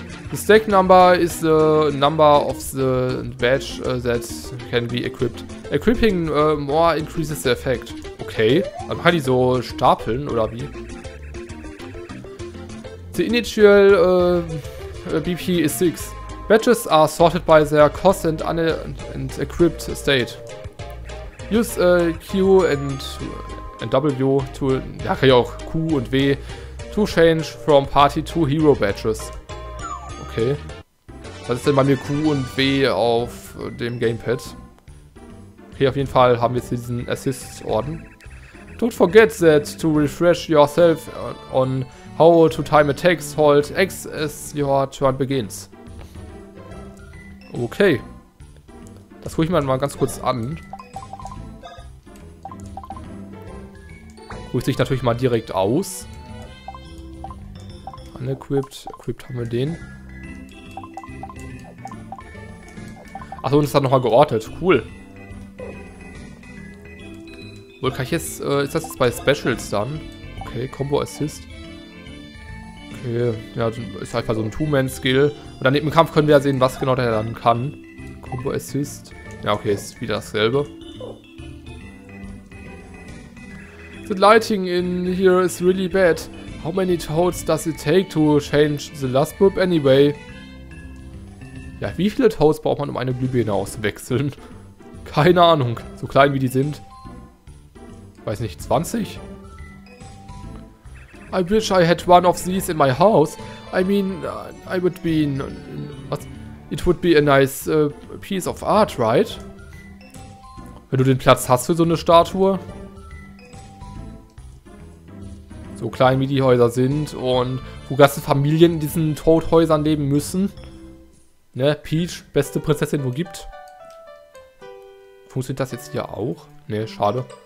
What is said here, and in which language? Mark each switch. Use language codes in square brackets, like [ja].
[en] The stack number is the number of the badge that can be equipped. Equipping more increases the effect. [de] Okay, dann kann ich so stapeln oder wie? [en] The initial BP is 6. Badges are sorted by their cost and equipped state. Use Q and W to, [de] ja, kann ich auch Q und W [en] to change from party to hero badges. Okay. [de] Was ist denn bei mir Q und W auf dem Gamepad? Okay, auf jeden Fall haben wir jetzt diesen Assist-Orden. [en] Don't forget that to refresh yourself on how to time attacks, hold X as your turn begins. Okay. [de] Das gucke ich mir mal ganz kurz an. Ruhe sich natürlich mal direkt aus. Unequipped. Equipped haben wir den. Achso, und ist dann nochmal geordnet. Cool. Wohl kann ich jetzt. Ist das jetzt bei Specials dann? Okay, Combo Assist. Okay, ja, ist einfach so ein Two-Man-Skill. Und dann neben dem Kampf können wir ja sehen, was genau der dann kann. Combo Assist. Ja, okay, ist wieder dasselbe. [en] The lighting in here is really bad. How many toads does it take to change the last bulb anyway? [de] Ja, wie viele Toads braucht man, um eine Glühbirne auszuwechseln? Keine Ahnung. So klein wie die sind. Weiß nicht, 20? [en] I wish I had one of these in my house. I mean, I would be in, was? It would be a nice piece of art, right? [de] Wenn du den Platz hast für so eine Statue. So klein wie die Häuser sind und wo ganze Familien in diesen Toadhäusern leben müssen. Ne, Peach, beste Prinzessin, wo gibt. Funktioniert das jetzt hier auch? Ne, schade.